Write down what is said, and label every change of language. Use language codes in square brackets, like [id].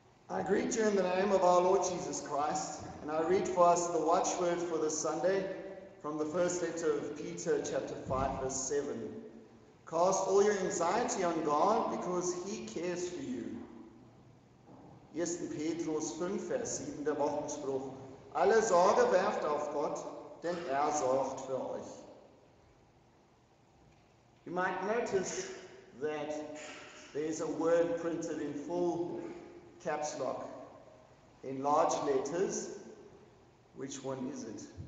[en] I greet you in the name of our Lord Jesus Christ, and I read for us the watchword for this Sunday from the first letter of Peter, chapter 5, verse 7. Cast all your anxiety on God because He cares for you. [de] Ersten Petrus 5, Vers 7, der Wochenspruch. Alle Sorge werft auf Gott, denn sorgt für euch. [en] You might notice that there is a word printed in full caps lock, in large letters. Which one is it?